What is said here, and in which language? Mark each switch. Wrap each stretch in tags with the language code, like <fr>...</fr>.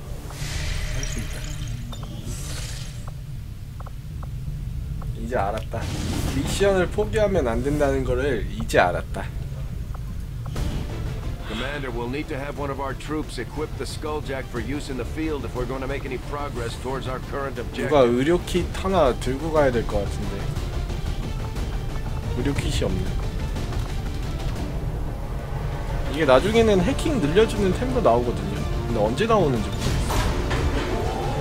<ko>할 수 있다. 이제 알았다. 미션을 포기하면 안 된다는 거를 이제 알았다.</ko> <en>Commander, we'll need to have one of our troops equip the Skulljack for use in the field if we're going to make any progress towards our current objective.</en> <ko>누가 의료 킷 하나 들고 가야 될 것 같은데. 의료킷이 없네. 이게 나중에는 해킹 늘려주는 템도 나오거든요. 근데 언제 나오는지 모르겠어.</ko>